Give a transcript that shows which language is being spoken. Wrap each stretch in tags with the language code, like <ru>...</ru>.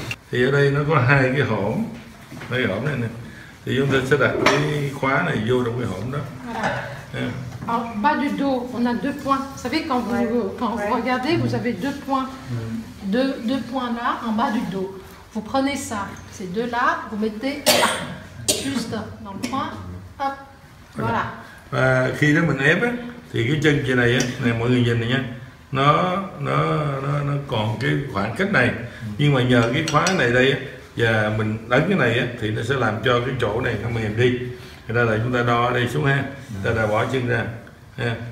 <vi>Thì ở đây nó có hai cái hõm, cái hõm này nè. Thì chúng ta sẽ đặt cái khóa này vô trong cái hõm đó.</vi> <fr>En bas du dos, on a deux points. Vous savez, quand vous, quand vous regardez, vous avez deux points. Deux points là, en bas du dos. Vous prenez ça, ces deux là, vous mettez juste dans le point. Hop, voilà.</fr> <vi>Và khi đó mình ép ấy, thì cái chân trên này, ấy, này mọi người nhìn này nha, nó còn cái khoảng cách này. Nhưng mà nhờ cái khóa này đây, ấy, và mình đánh cái này, ấy, thì nó sẽ làm cho cái chỗ này nó mềm đi. Thì đây là chúng ta đo ở đây xuống ha, ta đã bỏ chân ra. Ha.</vi>